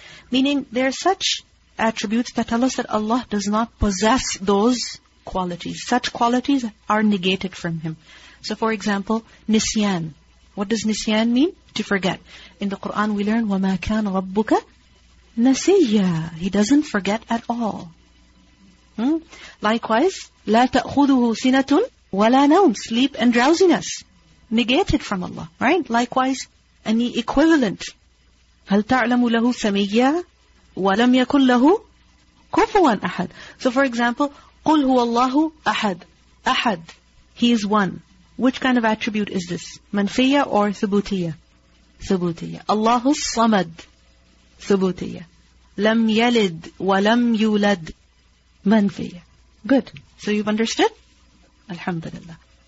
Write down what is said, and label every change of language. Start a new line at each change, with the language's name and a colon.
English: Meaning there are such attributes that tell us that Allah does not possess those qualities. Such qualities are negated from Him. So for example, nisyan. What does nisyan mean? To forget. In the Quran we learn,
Arabic: وَمَا كَانَ رَبُّكَ نَسِيَّا.
English: He doesn't forget at all.
Arabic: Likewise, لَا تَأْخُذُهُ سِنَةٌ وَلَا نَوْمٌ.
English: Sleep and drowsiness. Negated from Allah, right? Likewise, any equivalent.
Arabic: هَلْ تَعْلَمُ لَهُ سَمِيَّا وَلَمْ يَكُلْ لَهُ كُفُوًا أَحَد.
English: So for example,
Arabic: قُلْ هُوَ اللَّهُ أَحَد.
English: أَحَد. He is one. Which kind of attribute is this? Manfiyya or ثُبُوتِيَّة?
Arabic: ثُبُوتِيَّة. Allahu الصَّمَد.
English: ثُبُوتِيَّة.
Arabic: لَمْ يَلِدْ وَلَمْ يُولَدْ.
English: Manfiyya. Good. So you've understood? Alhamdulillah.